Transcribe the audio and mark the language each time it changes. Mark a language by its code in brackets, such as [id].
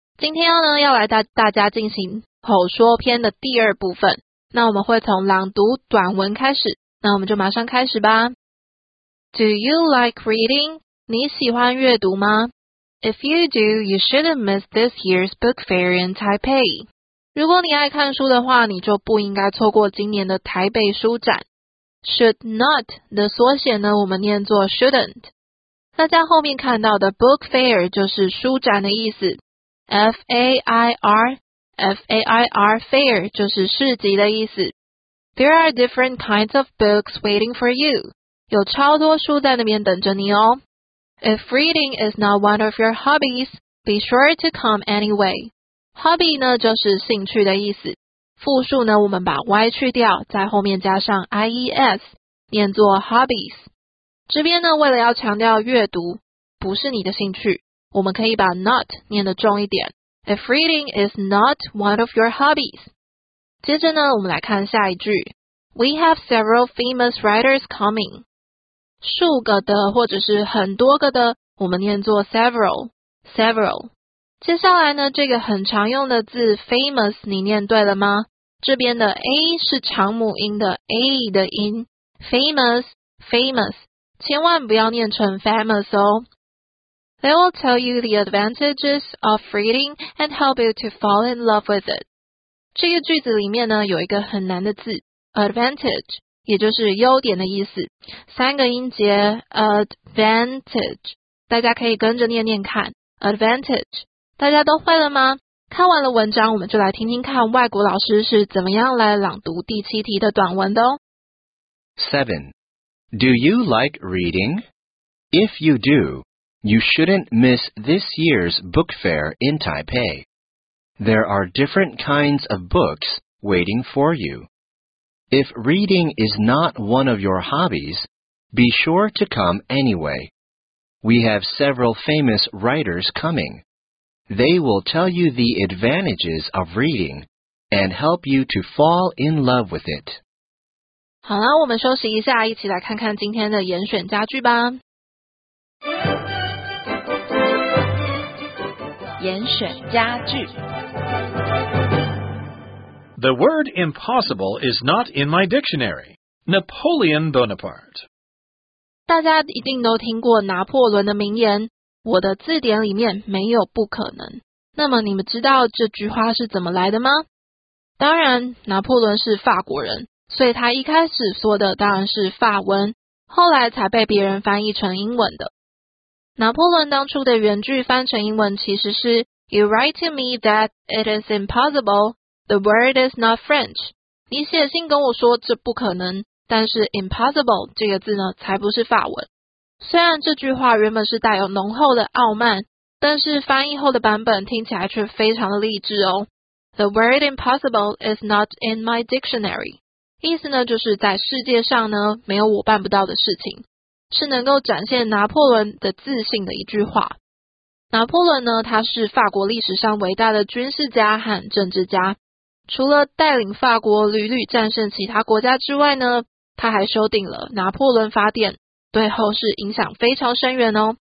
[zh] 今天呢，要来带大家进行口说篇的第二部分。那我们会从朗读短文开始，那我们就马上开始吧。 [en] Do you like reading? [zh] 你喜欢阅读吗？ [en] If you do, you shouldn't miss this year's book fair in Taipei. [zh] 如果你爱看书的话，你就不应该错过今年的台北书展。 Should not 的缩写呢，我们念作 shouldn't。大家后面看到的 book fair 就是书展的意思， F-A-I-R fair 就是市集的意思。 [en] There are different kinds of books waiting for you， [zh] 有超多书在那边等着你哦。 [en] If reading is not one of your hobbies， be sure to come anyway。 [zh] Hobby 呢就是兴趣的意思，复数呢我们把 Y 去掉，在后面加上 I-E-S， 念作 hobbies。这边呢，为了要强调阅读不是你的兴趣，我们可以把 not 念得重一点。 [en] If reading is not one of your hobbies. [zh] 接着呢，我们来看下一句。 [en] We have several famous writers coming. [zh] 数个的或者是很多个的，我们念作 [en] several, several. [zh] 接下来呢，这个很常用的字 famous 你念对了吗？这边的 A 是长母音的 A 的音。 [en] Famous, famous. [zh] 千万不要念成 famous 哦。 [en] They will tell you the advantages of reading and help you to fall in love with it. [zh] 这个句子里面呢，有一个很难的字 advantage， 也就是优点的意思。三个音节 advantage， 大家可以跟着念念看 advantage。大家都会了吗？看完了文章，我们就来听听看外国老师是怎么样来朗读第七题的短文的哦。 [en] Seven. Do you like reading? If you do, you shouldn't miss this year's book fair in Taipei. There are different kinds of books waiting for you. If reading is not one of your hobbies, be sure to come anyway. We have several famous writers coming. They will tell you the advantages of reading and help you to fall in love with it. [zh] 好啦，我们休息一下，一起来看看今天的严选佳句吧。严选佳句。 [en] The word impossible is not in my dictionary. Napoleon Bonaparte. [zh] 大家一定都听过拿破仑的名言，我的字典里面没有不可能。那么你们知道这句话是怎么来的吗？当然，拿破仑是法国人。所以他一开始说的当然是法文，后来才被别人翻译成英文的。拿破仑当初的原句翻成英文其实是 [en] You write to me that it is impossible, the word is not French. [zh] 你写信跟我说这不可能，但是 impossible 这个字呢才不是法文。虽然这句话原本是带有浓厚的傲慢，但是翻译后的版本听起来却非常的励志哦。 [en] The word impossible is not in my dictionary. [zh] 意思呢，就是在世界上呢，没有我办不到的事情，是能够展现拿破仑的自信的一句话。拿破仑呢，他是法国历史上伟大的军事家和政治家，除了带领法国屡屡战胜其他国家之外呢，他还修订了拿破仑法典，对后世影响非常深远哦。